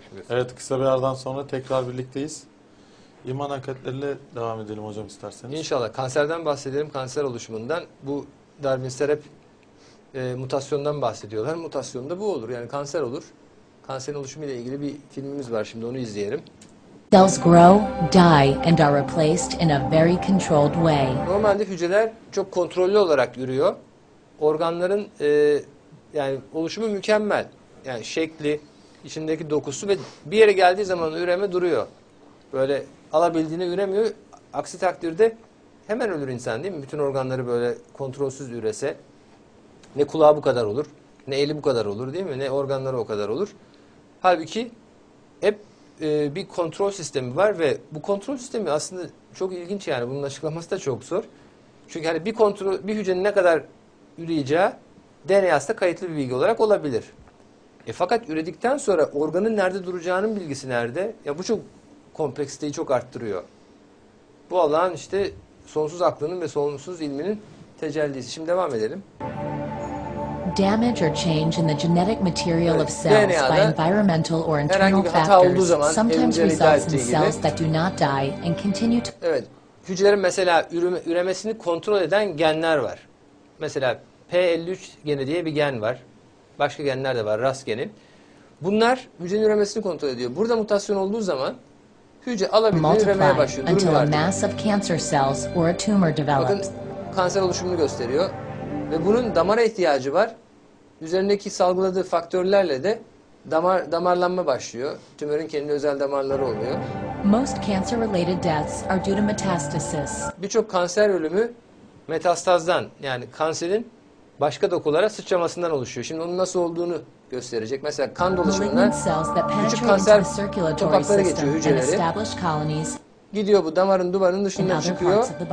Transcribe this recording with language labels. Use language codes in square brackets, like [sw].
[tr] Evet kısa bir aradan sonra tekrar birlikteyiz. İman hareketleriyle devam edelim hocam isterseniz. İnşallah kanserden bahsedelim kanser oluşumundan. Bu Darwinistler hep mutasyondan bahsediyorlar. Mutasyon da bu olur yani kanser olur. Kanserin oluşumu ile ilgili bir filmimiz var şimdi onu izleyelim. [en] Cells grow, die and are replaced in a very controlled way. [tr] Normalde hücreler çok kontrollü olarak yürüyor. organların yani oluşumu mükemmel. Yani şekli, içindeki dokusu ve bir yere geldiği zaman üreme duruyor. Böyle alabildiğini üremiyor. Aksi takdirde hemen ölür insan değil mi? Bütün organları böyle kontrolsüz ürese ne kulağı bu kadar olur, ne eli bu kadar olur değil mi? Ne organları o kadar olur. Halbuki hep bir kontrol sistemi var ve bu kontrol sistemi aslında çok ilginç yani. Bunun açıklaması da çok zor. Çünkü hani bir kontrol, bir hücrenin ne kadar üreyeceği DNA'sında kayıtlı bir bilgi olarak olabilir. E fakat üredikten sonra organın nerede duracağının bilgisi nerede? Ya bu çok kompleksiteyi çok arttırıyor. Bu alan işte sonsuz aklının ve sonsuz ilminin tecellisi. Şimdi devam edelim. [en] Damage or change in the genetic material of cells by environmental or internal factors sometimes results in cells that do not die and continue to. [tr] Evet, hücrelerin mesela üremesini kontrol eden genler var. Mesela P53 geni diye bir gen var. Başka genler de var, RAS geni. Bunlar hücrenin üremesini kontrol ediyor. Burada mutasyon olduğu zaman hücre alabiliyor, üremeye başlıyor. [en] Until a mass of cancer cells or a tumor develops. [tr] Bakın, kanser oluşumunu gösteriyor. Ve bunun damara ihtiyacı var. Üzerindeki salgıladığı faktörlerle de damarlanma başlıyor. Tümörün kendi özel damarları oluyor. [en] Most cancer related deaths are due to metastasis. [tr] Birçok kanser ölümü metastazdan, yani kanserin başka dokulara sıçramasından oluşuyor. Şimdi onun nasıl olduğunu gösterecek. Mesela kan dolaşımından küçük kanser topakları geçiyor hücreleri. Gidiyor bu damarın duvarının dışından çıkıyor.